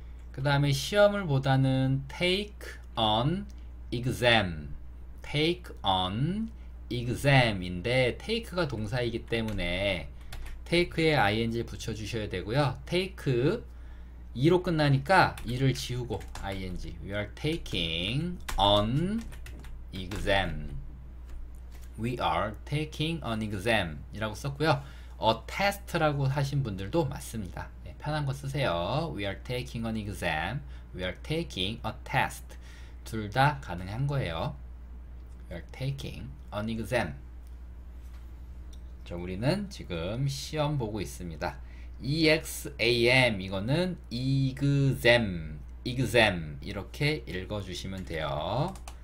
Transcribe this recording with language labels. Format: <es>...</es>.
<ko>그 다음에 시험을 보다는</ko> <en>take on exam. take on exam</en> <ko>인데 take가 동사이기 때문에 take에 ing 붙여주셔야 되고요. take 이로 끝나니까 이를 지우고 ing.</ko> <en>We are taking on exam. We are taking on exam 이라고 썼고요.</en> <ko>A test라고 하신 분들도 맞습니다. 네, 편한 거 쓰세요.</ko> <en>We are taking an exam. We are taking a test.</en> <ko>둘다 가능한 거예요.</ko> <en>We are taking an exam.</en> <ko>자, 우리는 지금 시험 보고 있습니다. EXAM 이거는 exam, exam 이렇게 읽어주시면 돼요.</ko>